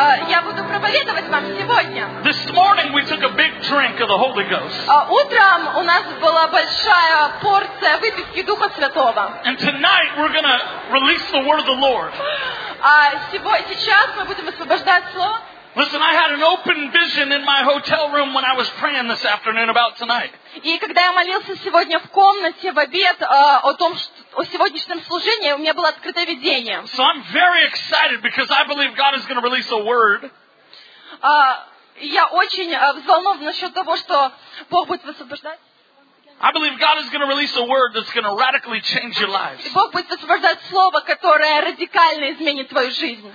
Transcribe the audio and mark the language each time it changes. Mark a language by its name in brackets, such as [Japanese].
[Russian] Я буду проповедовать вам сегодня. [English] This morning we took a big drink of the Holy Ghost. [Russian] Утром у нас была большая порция выпивки Духа Святого. [English] And tonight we're gonna release the word of the Lord. [Russian] Сейчас мы будем освобождать слово. [English] Listen, I had an open vision in my hotel room when I was praying this afternoon about tonight. [Russian] И когда я молился сегодня в комнате в обед о том, о сегодняшнем служении, у меня было открытое видение. [English] So I'm very excited because I believe God is going to release a word. [Russian] Я очень взволнован насчет того, что Бог будет высвобождать. [English] I believe God is going to release a word that's going to radically change your lives. [Russian] Бог будет высвобождать слово, которое радикально изменит твою жизнь.